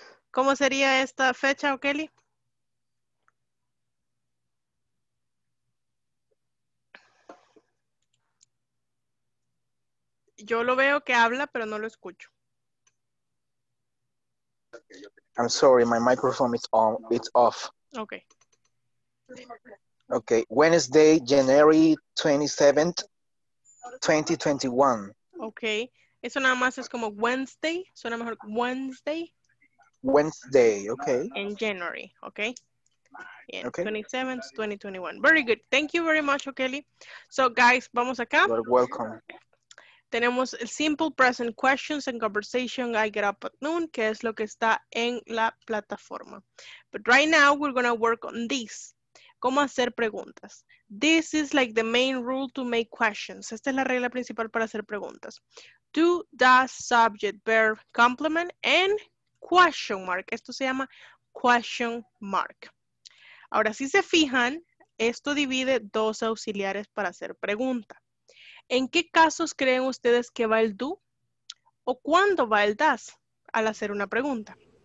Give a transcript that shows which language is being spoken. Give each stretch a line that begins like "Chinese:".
Spanish: ¿Cómo sería esta fecha, o Kelly? Yo lo veo que habla, pero no lo escucho.
English: I'm sorry, my microphone is on, it's off. Okay. Okay, Wednesday, January 27th, 2021.
Spanish: Okay, eso nada más es como Wednesday, suena mejor Wednesday.
English: Wednesday, okay. In January, okay. 27th, 2021. Very good. Thank you very much, O'Kelly. So, guys,
Spanish: vamos acá.
English: You're welcome.
Spanish: Tenemos el
English: simple present questions and conversation. I get up at noon,
Spanish: que es lo que está en la plataforma.
English: But right now, we're going to work on this.
Spanish: ¿Cómo hacer preguntas?
English: This is like the main rule to make questions.
Spanish: Esta es la regla principal para hacer preguntas.
English: Do, does, subject, verb, complement, and question mark.
Spanish: Esto se llama question mark. Ahora, si se fijan, esto divide dos auxiliares para hacer pregunta. ¿En qué casos creen ustedes que va el do? ¿O cuándo va el does al hacer una pregunta?